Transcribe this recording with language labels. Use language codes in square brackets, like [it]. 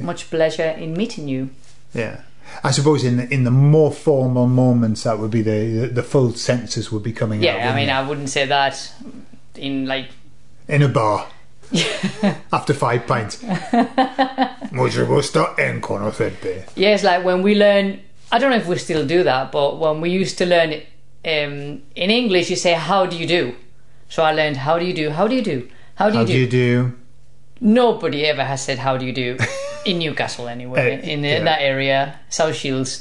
[en] Much pleasure in meeting you. Yeah. I suppose in the more formal moments, that would be the full sentences would be coming out. Yeah, I mean, I wouldn't say that in like... In a bar. After 5 pints. [es] Mucho gusto en conocerte. [en] Yeah, it's like when we learn... I don't know if we still do that, but when we used to learn in English, you say, how do you do? So I learned, how do you do? How do you do? How do you do? How do you do? Nobody ever has said how do you do in Newcastle anyway, in that area, South Shields.